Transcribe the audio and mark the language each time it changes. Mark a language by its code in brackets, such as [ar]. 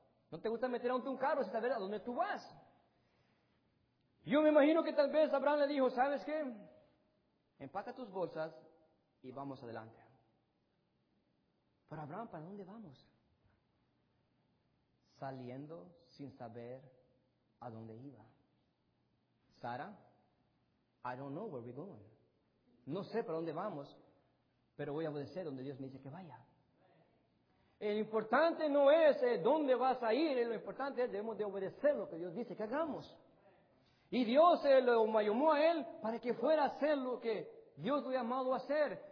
[es] No te gusta meter ante un carro sin saber a dónde tú vas. Yo me imagino que tal vez Abraham le dijo: ¿sabes qué? Empaca tus bolsas y vamos adelante. Pero Abraham, ¿para dónde vamos? Saliendo sin saber a dónde iba. [en] Sara, I don't know where we're going. [es] No sé para dónde vamos, pero voy a obedecer donde Dios me dice que vaya. El importante no es dónde vas a ir, lo importante es debemos de obedecer lo que Dios dice que hagamos. Y Dios lo llamó a él para que fuera a hacer lo que Dios lo llamado a hacer.